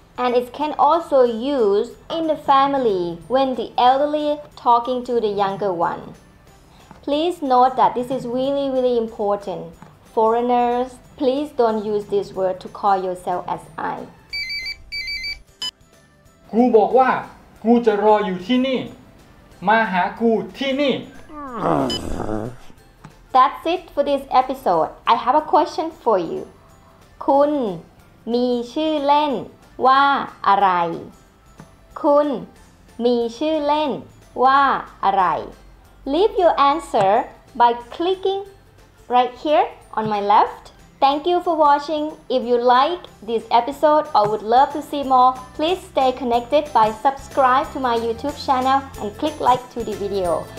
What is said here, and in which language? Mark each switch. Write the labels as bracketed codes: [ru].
[en] And it can also use in the family when the elderly talking to the younger one. Please note that this is really, really important. Foreigners, please don't use this word to call yourself as I. [th] กูบอกว่ากูจะรออยู่ที่นี่มาหากูที่นี่ [en] That's it for this episode. I have a question for you. [th] คุณมีชื่อเล่นว่าอะไรคุณมีชื่อเล่นว่าอะไร [en] Leave your answer by clicking right here on my left. Thank you for watching. If you like this episode or would love to see more, please stay connected by subscribe to my YouTube channel and click like to the video.